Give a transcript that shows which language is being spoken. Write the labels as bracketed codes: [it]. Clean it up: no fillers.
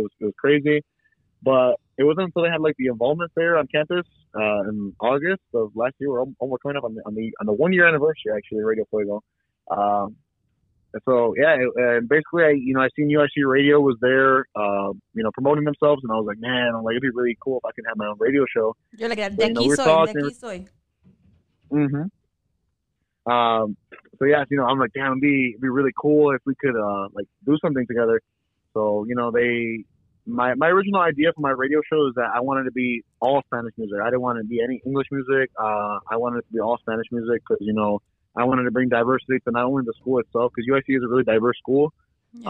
[en] It was crazy, but it wasn't until they had like the involvement fair on campus, in August of last year, we're coming up on the 1 year anniversary, actually, Radio Fuego. So yeah, and basically I seen UIC Radio was there, you know, promoting themselves, and I was like, man, I'm like, it'd be really cool if I could have my own radio show. You're like, [es] de aquí soy, de aquí soy. Mhm. [en] So yeah, you know, I'm like, damn, it'd be really cool if we could like do something together. So, you know, my original idea for my radio show is that I wanted to be all Spanish music. I didn't want to be any English music. I wanted it to be all Spanish music because, you know, I wanted to bring diversity to not only the school itself, because UIC is a really diverse school. Yeah.